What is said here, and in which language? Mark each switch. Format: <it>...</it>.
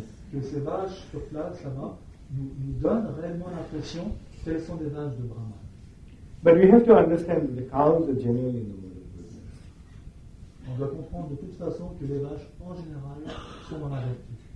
<fr>Que ces vaches sur place là-bas nous donnent réellement l'impression qu'elles sont des vaches de Brahman.</fr> <en>But we have to understand that the cows are generally in the mood of goodness.</en> <fr>On doit comprendre de toute façon que les vaches en général sont dans la vertu.</fr>